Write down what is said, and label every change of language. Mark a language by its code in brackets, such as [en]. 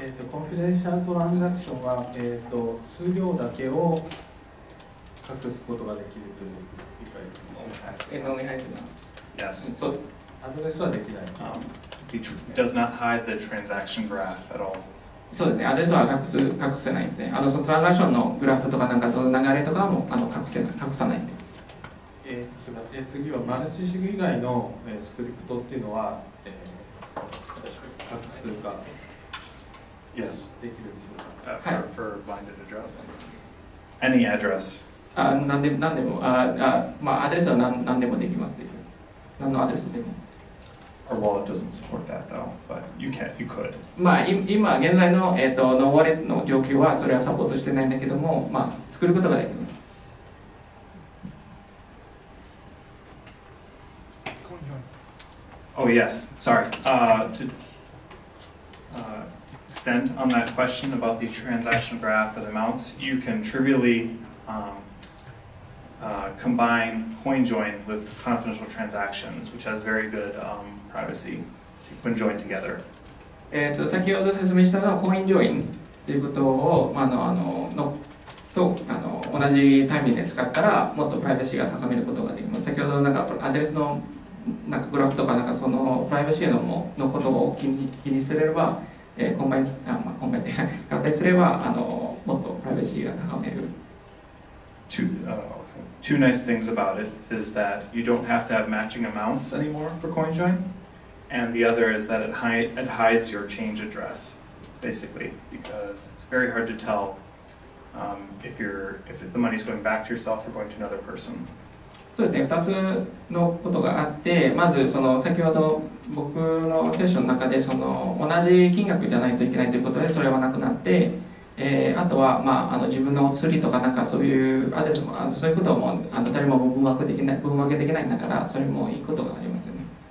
[ja] コンフィデンシャルトランザクションは、数量だけを隠すことができるという理解でしょうか。 [en] Yes. [ja] そうアドレスはできない。 [en] Does not hide the transaction graph at all. [ja] そうですね、アドレスは隠せないですね。そのトランザクションのグラフとかなんかの流れとかも隠さないです。次はマルチシグ以外のスクリプトっていうのは、隠すか、 [en] yes. [ja] できるでしょうか。 [en] はい、for blinded address. Any address. [ja] なんでも、まあ、アドレスはなんでもできますという。何のアドレスでも。 [en] Our wallet doesn't support that though, but you could. [ja] まあ、今現在の、ノーワレットの状況はそれはサポートしてないんだけども、まあ、作ることができます。 [en] Oh, yes, sorry. To, extent on that question about the transaction graph or the mounts, you can trivially combine coin join with confidential transactions, which has very good privacy when joined together. [ja] 先ほど説明したのはコインジョインということを、まあ、あの同じタイミングで使ったらもっとプライバシーが高めることができます。先ほどなんかアドレスのなんかグラフとか、 なんかそのプライバシー のことを気にすれば、コンバインあ、まあ、コンバインで合体すればあのもっとプライバシーが高める。 [en] Two nice things about it is that you don't have to have matching amounts anymore for coin join. And the other is that it hides your change address, basically, because it's very hard to tell if the money is going back to yourself or going to another person. [ja] そうですね、2つのことがあって、まずその先ほど僕のセッションの中でその同じ金額じゃないといけないということでそれはなくなって、あとは、まあ、あの自分のお釣りとかなんかそういうアドレスもそういうこともあの誰も分分けできないんだからそれもいいことがありますよね。